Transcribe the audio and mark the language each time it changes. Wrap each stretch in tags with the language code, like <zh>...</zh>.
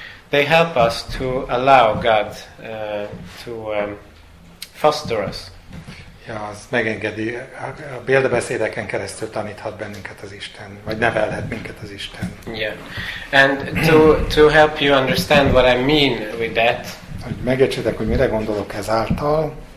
<en>They help us to allow God to foster us.</en> <hu>Ja, az megengedi, a példabeszédeken keresztül taníthat bennünket az Isten, vagy nevelhet minket az Isten.</hu> <en>Yeah. And to help you understand what I mean with that.</en> <hu>Hogy megértsétek, hogy mire gondolok ezáltal.</hu>